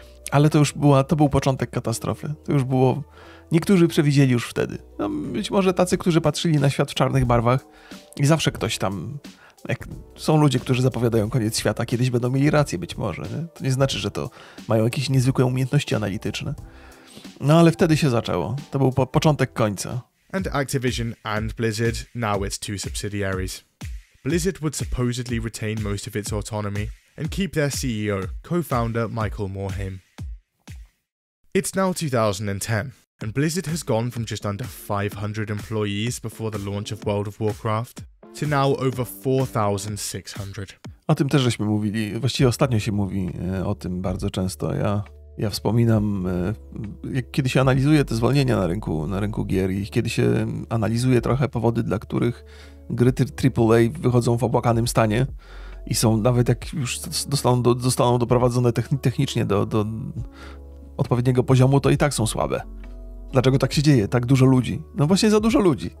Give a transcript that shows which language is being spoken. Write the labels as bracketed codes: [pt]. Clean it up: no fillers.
[pl] Ale to był początek katastrofy. To już było... Niektórzy przewidzieli już wtedy. No, być może tacy, którzy patrzyli na świat w czarnych barwach i zawsze ktoś tam... Jak są ludzie, którzy zapowiadają koniec świata, kiedyś będą mieli rację być może. Nie? To nie znaczy, że to mają jakieś niezwykłe umiejętności analityczne. No ale wtedy się zaczęło. To był początek końca. [en] And Activision and Blizzard, now it's two subsidiaries. Blizzard would supposedly retain most of its autonomy and keep their CEO, co-founder Michael Morhaime. It's now 2010, and Blizzard has gone from just under 500 employees before the launch of World of Warcraft to now over 4,600. [pl] O tym też żeśmy mówili, właściwie ostatnio się mówi o tym bardzo często. Ja wspominam, kiedy się analizuje te zwolnienia na rynku gier i kiedy się analizuje trochę powody, dla których gry AAA wychodzą w opłakanym stanie i są nawet jak już zostaną doprowadzone technicznie do odpowiedniego poziomu, to i tak są słabe. Dlaczego tak się dzieje? Tak dużo ludzi. No właśnie za dużo ludzi.